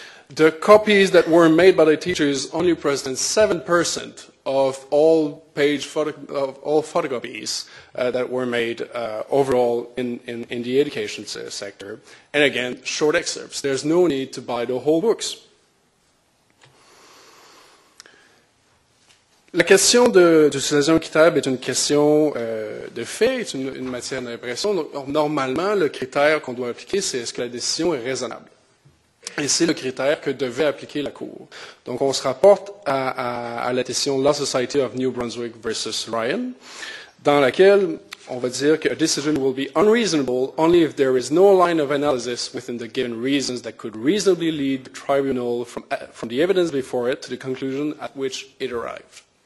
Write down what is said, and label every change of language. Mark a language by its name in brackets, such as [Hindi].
[English] The copies that were made by the teachers only represent 7% of all photocopies that were made overall in the education sector. And again, short excerpts. There's no need to buy the whole books. [French] La question de l'utilisation équitable est une question de fait, c'est une matière d'impression. Normalement, le critère qu'on doit appliquer, c'est est-ce que la décision est raisonnable? Et c'est le critère que devait appliquer la Cour. Donc, on se rapporte à la décision Law Society of New Brunswick versus Ryan, dans laquelle on va dire que [English] a decision will be unreasonable only if there is no line of analysis within the given reasons that could reasonably lead the tribunal from the evidence before it to the conclusion at which it arrived.